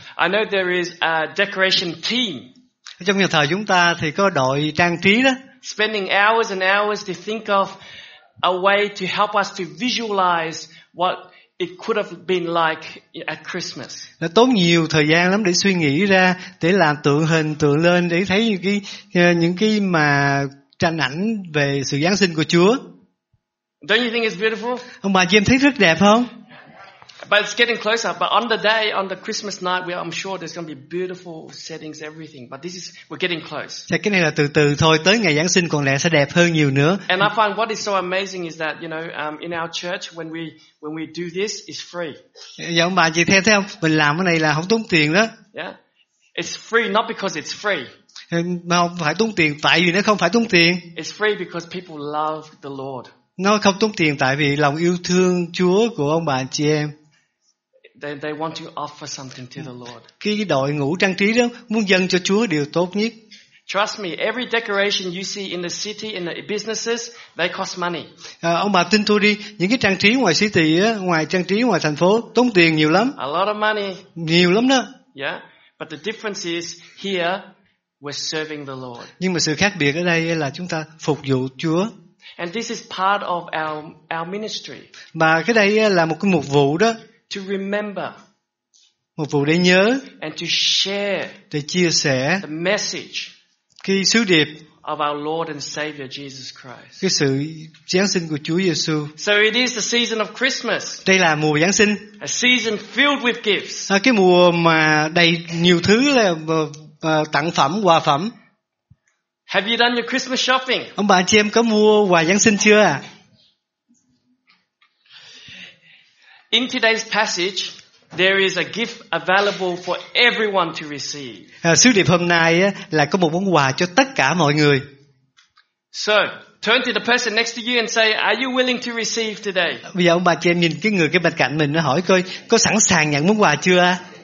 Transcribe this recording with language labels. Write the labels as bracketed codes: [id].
[en] I know there is a decoration team. [vi] Trong nhà thờ chúng ta thì có đội trang trí đó. [en] Spending hours and hours to think of a way to help us to visualize what it could have been like at Christmas. [vi] Nó tốn nhiều thời gian lắm để suy nghĩ ra, để làm tượng hình, tượng lên để thấy những cái mà tranh ảnh về sự Giáng sinh của Chúa. [en] Don't you think it's beautiful? [vi] Ông bà chị em thấy rất đẹp không? [en] But it's getting closer. But on the day, on the Christmas night, I'm sure there's going to be beautiful settings, everything. But this is, we're getting close. [vi] Chắc cái này là từ từ thôi. Tới ngày Giáng sinh còn lẽ sẽ đẹp hơn nhiều nữa. [en] And I find what is so amazing is that, you know, in our church, when we do this, it's free. [vi] Dạ, ông bà chị theo thấy không? Mình làm cái này là không tốn tiền đó. [en] Yeah. It's free, not because it's free. [vi] Mà không phải tốn tiền, tại vì nó không phải tốn tiền. [en] It's free because people love the Lord. [vi] Nó không tốn tiền tại vì lòng yêu thương Chúa của ông bà chị em. [en] They want to offer something to the Lord. [vi] Cái đội ngũ trang trí đó muốn dâng cho Chúa điều tốt nhất. [en] Trust me, every decoration you see in the city, in the businesses, they cost money. [vi] Ông bà tin tôi đi, những cái trang trí ngoài city á, ngoài trang trí ngoài thành phố tốn tiền nhiều lắm. [en] A lot of money. [vi] Nhiều lắm đó. [en] Yeah, but the difference is here we're serving the Lord. [vi] Nhưng mà sự khác biệt ở đây là chúng ta phục vụ Chúa. [en] And this is part of our ministry. [vi] Mà cái đây là một cái mục vụ đó. [en] To remember, [vi] một vụ để nhớ, [en] and to share, [vi] để chia sẻ, [en] the message, [vi] cái sứ điệp [en] of our Lord and Savior Jesus Christ, [vi] cái sự Giáng sinh của Chúa Giêsu. [en] So it is the season of Christmas. [vi] Đây là mùa Giáng sinh. [en] A season filled with gifts. [vi] À, cái mùa mà đầy nhiều thứ là tặng phẩm, quà phẩm. [en] Have you done your Christmas shopping? [vi] Ông bà chị em có mua quà Giáng sinh chưa à? [en] In today's passage, there is a gift available for everyone to receive. [vi] Sứ điệp hôm nay là có một món quà cho tất cả mọi người. [en] So, turn to the person next to you and say, "Are you willing to receive today?" [vi] Bây giờ ông bà chị em nhìn cái người cái bên cạnh mình, nó hỏi coi có sẵn sàng nhận món quà chưa?